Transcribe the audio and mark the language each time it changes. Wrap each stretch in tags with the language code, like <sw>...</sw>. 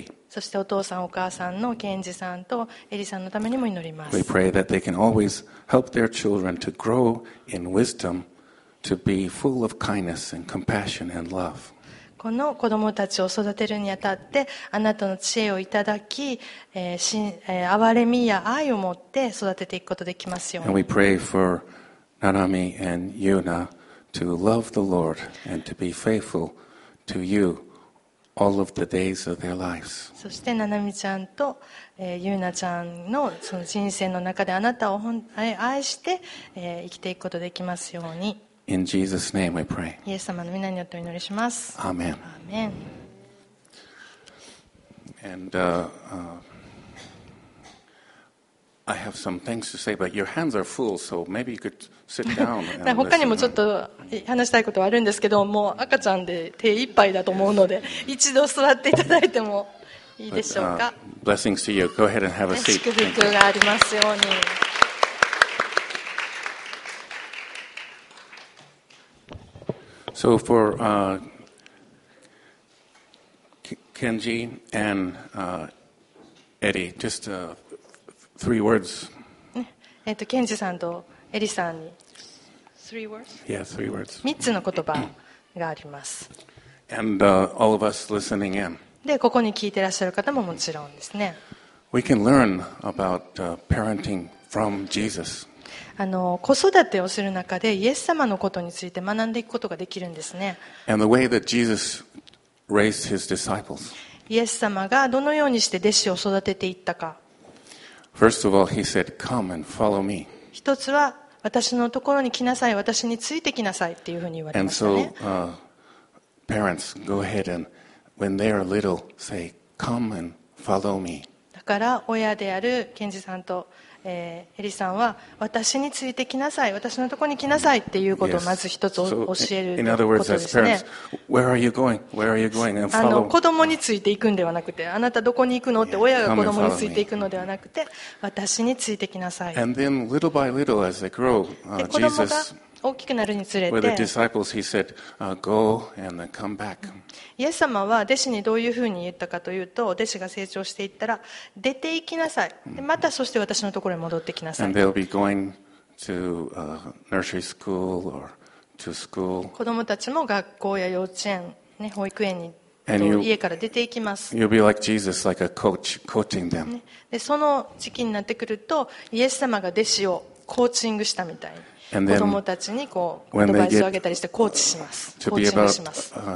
<ja>そしてお父さんお母さんのケンジさんとエリさんのためにも祈ります。</ja> <en>We pray that they can always help their children to grow in wisdom, to be full of kindness and compassion and love.</en> <ja>この子供たちを育てるにあたって、あなたの知恵をいただき、憐れみや愛を持って育てていくことができますように。</ja> <en>And we pray for Nanami and Yuna to love the Lord and to be faithful to you. All of the days of their lives.</en> <ja>そしてななみちゃんとゆうなちゃん の, その人生の中であなたを愛して、生きていくことができますように。</ja> <en>In Jesus' name we pray.</en> <ja>イエス様の皆によってお祈りします。アーメン。アーメン。</ja> <en>And I have some things to say, but your hands are full, so maybe you could sit down.</en> <ja>他にもちょっと話したいことはあるんですけど、もう赤ちゃんで手いっぱいだと思うので、一度座っていただいてもいいでしょうか。</ja> <en>Blessings to you. Go ahead and have a seat.</en> <ja>祝福がありますように。</ja> <en>So for Kenji and Eddie, just a three words.</en> <ja>ケンジさんとエリさんに。</ja> <en>three words? Yeah, three words.</en> <ja>3つの言葉があります。</ja> <en>And, all of us listening in.</en> <ja>で、ここに聞いてらっしゃる方ももちろんですね。</ja> <en>We can learn about, parenting from Jesus.</en> <ja>子育てをする中でイエス様のことについて学んでいくことができるんですね。</ja> <en>And the way that Jesus raised his disciples.</en> <ja>イエス様がどのようにして弟子を育てていったか。</ja> <en>First of all, he said, "Come and follow me."</en> <ja>一つは私のところに来なさい、私についてきなさいっていうふうに言われましたね。</ja> <en>And so, parents, go ahead and when they are little, say, "Come and follow me."</en> <ja>だから親であるケンジさんと、エリさんは私についてきなさい、私のところに来なさいっていうことをまず一つ教えることですね。</ja> <en>So, parents, where are you going? Where are you going? And follow.</en> <ja>子供についていくんではなくて、あなたどこに行くのって親が子供についていくのではなくて、私についてきなさい。</ja> <en>And then little by little as they grow, Jesus,</en> <ja>大きくなるにつれて、</ja> <en>the disciples, he said, go and come back.</en> <ja>イエス様は弟子にどういうふうに言ったかというと、弟子が成長していったら出て行きなさい、でまたそして私のところに戻ってきなさい。</ja> <en>And they'll be going to, nursery school or to school.</en> <ja>子どもたちも学校や幼稚園、ね、保育園に家から出て行きます。</ja> <en>You'll be like Jesus, like a coach, coaching them.</en> <ja>でその時期になってくるとイエス様が弟子をコーチングしたみたいに、子供たちにこうアドバイスをあげたりしてコーチします、コーチングします。</ja>